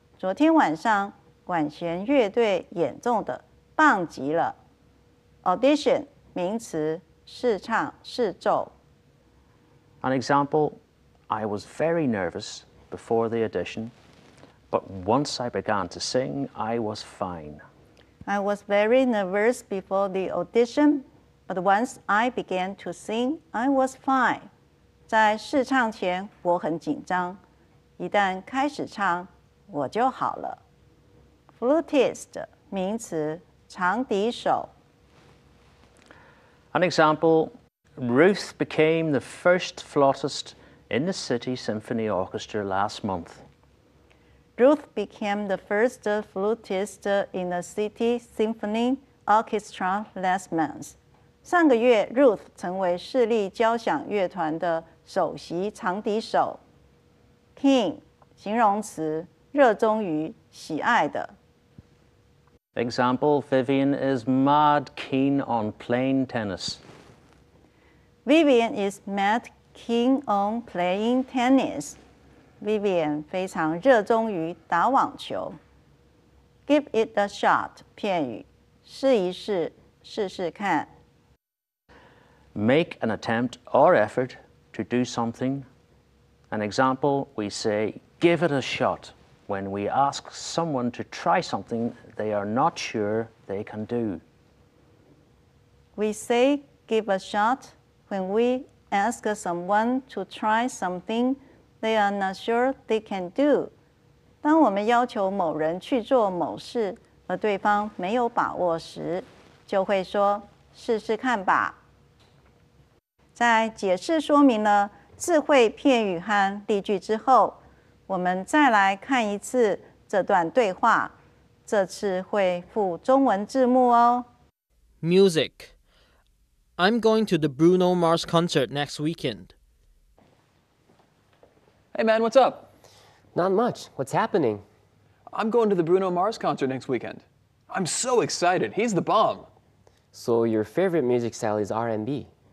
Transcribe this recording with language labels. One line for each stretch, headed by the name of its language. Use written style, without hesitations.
Chinese: 昨天晚上，管弦乐队演奏的棒极了。 Audition, 名词，试唱、试奏。
English: An example,I was very nervous before the audition, but once I began to sing, I was fine. I was very nervous before the audition, but once I began to sing, I was fine.
Chinese: 在试唱前我很紧张，一旦开始唱我就好了。 Flutist 名词，长笛手。
English: An example, Ruth became the first flautist in the City Symphony Orchestra last month. Ruth became the first flutist in the City Symphony Orchestra last month.
Chinese: 上个月 Ruth 成为市立交响乐团的首席长笛手。 King 形容词，热衷于，喜爱的。
English: Example, Vivian is mad keen on playing tennis. Vivian is mad keen on playing tennis.
Chinese: Vivian 非常热衷于打网球。
English: Give it a shot,
Chinese: 片语，试一试，试试看。
English: Make an attempt or effort to do something. An example, we say, give it a shot. When we ask someone to try something they are not sure they can do. We say give a shot when we ask someone to try something they are not sure they can do.
Chinese: 当我们要求某人去做某事而对方没有把握时，就会说试试看吧。在解释说明了智慧片语和例句之后，我们再来看一次这段对话，这次会附中文字幕哦。 Music.
English: I'm going to the Bruno Mars concert next weekend. Hey man, what's up? Not much. What's happening? I'm going to the Bruno Mars concert next weekend. I'm so excited. He's the bomb. So your favorite music style is R&B?